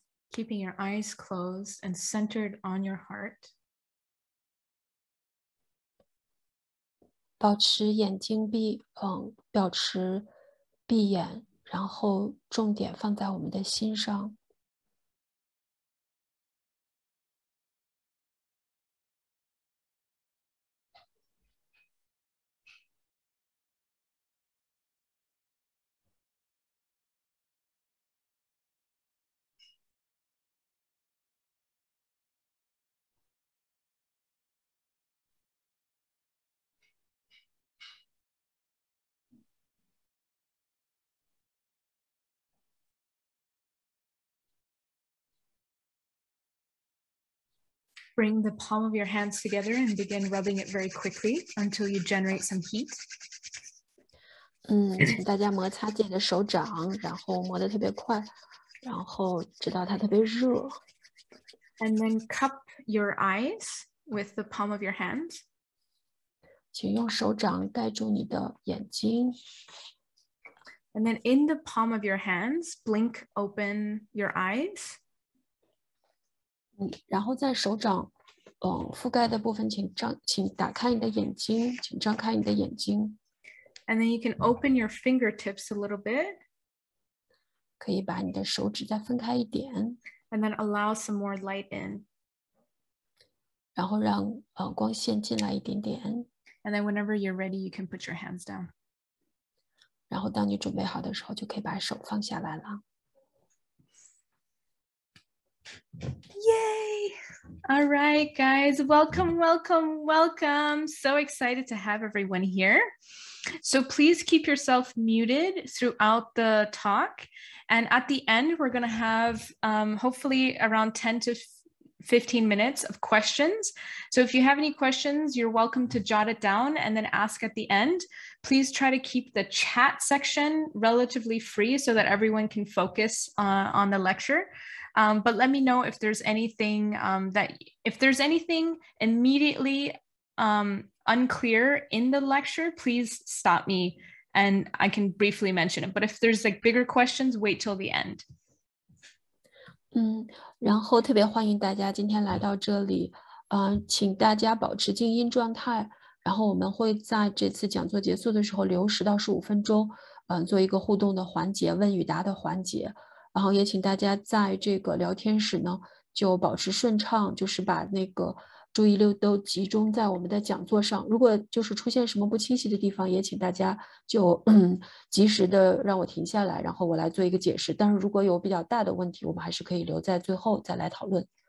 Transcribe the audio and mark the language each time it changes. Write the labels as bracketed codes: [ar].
[en] Keeping your eyes closed and centered on your heart. [zh] 保持眼睛闭，保持闭眼，然后重点放在我们的心上。 [en] Bring the palm of your hands together and begin rubbing it very quickly until you generate some heat. [zh] 请大家摩擦自己的手掌，然后磨得特别快，然后直到它特别热。 [en] And then cup your eyes with the palm of your hand. [zh] 请用手掌盖住你的眼睛。 [en] And then in the palm of your hands, blink open your eyes. [zh] 然后在手掌覆盖的部分请打开你的眼睛，请张开你的眼睛。 [en] And then you can open your fingertips a little bit. [zh] 可以把你的手指再分开一点。 [en] And then allow some more light in. [zh] 然后让光线进来一点点。 [en] And then whenever you're ready, you can put your hands down. [zh] 然后当你准备好的时候就可以把手放下来了。 [en] Yay! All right, guys. Welcome, welcome, welcome. So excited to have everyone here. So please keep yourself muted throughout the talk. And at the end, we're going to have hopefully around 10 to 15 minutes of questions. So if you have any questions, you're welcome to jot it down and then ask at the end. Please try to keep the chat section relatively free so that everyone can focus on the lecture. But let me know if there's anything immediately unclear in the lecture, please stop me and I can briefly mention it. But if there's like bigger questions, wait till the end. [zh] 然后特别欢迎大家今天来到这里，请大家保持静音状态，然后我们会在这次讲座结束的时候留10到15分钟，做一个互动的环节，问与答的环节。然后也请大家在这个聊天时呢就保持顺畅，就是把那个注意力都集中在我们的讲座上，如果就是出现什么不清晰的地方也请大家就及时的让我停下来，然后我来做一个解释，但是如果有比较大的问题我们还是可以留在最后再来讨论。